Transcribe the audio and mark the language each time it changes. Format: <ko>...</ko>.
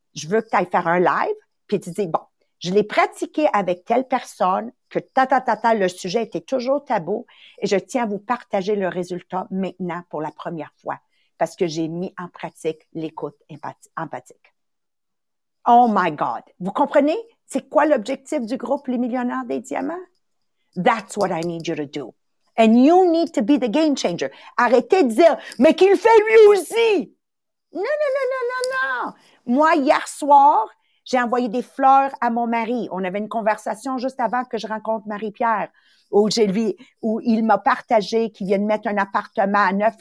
<fr>Je veux que tu ailles faire un live. Puis tu dis, bon, je l'ai pratiqué avec telle personne que le sujet était toujours tabou et je tiens à vous partager le résultat maintenant pour la première fois parce que j'ai mis en pratique l'écoute empathique.</fr> <en>Oh my God!</en> <fr>Vous comprenez? C'est quoi l'objectif du groupe Les Millionnaires des Diamants?</fr> <en>That's what I need you to do. And you need to be the game changer.</en> <fr>Arrêtez de dire, mais qu'il fait lui aussi! Non, non, non, non, non, non! Moi, hier soir, j'ai envoyé des fleurs à mon mari. On avait une conversation juste avant que je rencontre Marie-Pierre, où il m'a partagé qu'il vient de mettre un appartement à neuf.</fr>